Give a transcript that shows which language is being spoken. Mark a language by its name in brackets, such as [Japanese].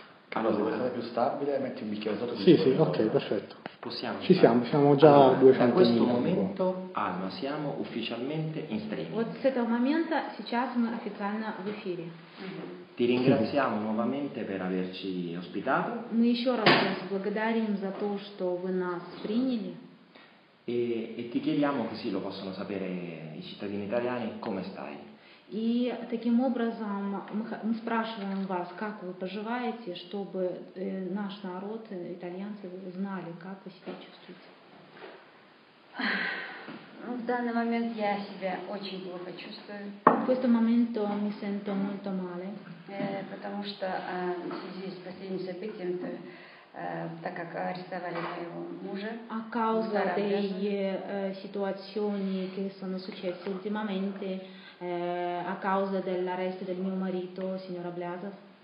[Italian] Allora, se vuoi essere più stabile, metti un bicchiere sotto. Sì, sì, ok, perfetto. Possiamo. Ci siamo, siamo già a 200.000. In questo momento, Alma, siamo ufficialmente in streaming. [Russian] Вот с этого момента сейчас мы официально в эфире. [Italian] Ti ringraziamo nuovamente per averci ospitato. [Russian] Мы еще раз вас благодарим за то, что вы нас приняли. [Italian] E ti chiediamo, così lo possono sapere i cittadini italiani, come stai. [Russian] И таким образом мы спрашиваем вас, как вы поживаете, чтобы наш народ, итальянцы, знали, как вы себя чувствуете. В данный момент я себя очень плохо чувствую. В [Italian] questo momento mi sento molto male. [Russian] Потому что в связи с последним событием, так как арестовали моего мужа. [Italian] A causa delle situazioni che sono successe ultimamente. A causa dell'arresto del mio marito, signora Blazov.